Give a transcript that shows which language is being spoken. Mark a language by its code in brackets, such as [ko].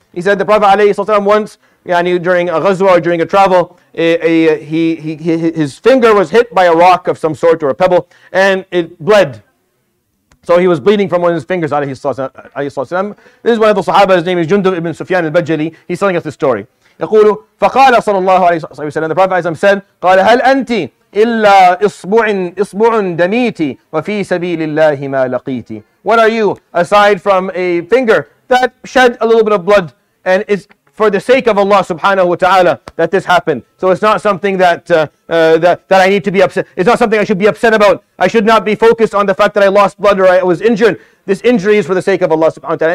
[en] He said the Prophet عليه الصلاة والسلام once, during a ghazwa or during a travel, his finger was hit by a rock of some sort or a pebble, and it bled. So he was bleeding from one of his fingers, عليه الصلاة والسلام. This is one of the Sahaba, his name is Jundub ibn Sufyan al-Bajali. He's telling us this story. [ar] يقول فقال صلى الله عليه وسلم, [en] the Prophet عليه الصلاة والسلام said, [ar] قال هل أنت إلا إصبع دميتي وفي سبيل الله ما لقيتي. [en] What are you aside from a finger that shed a little bit of blood, and it's for the sake of Allah subhanahu wa ta'ala that this happened? So it's not something that that I need to be upset. It's not something I should be upset about. I should not be focused on the fact that I lost blood or I was injured. This injury is for the sake of Allah subhanahu wa ta'ala.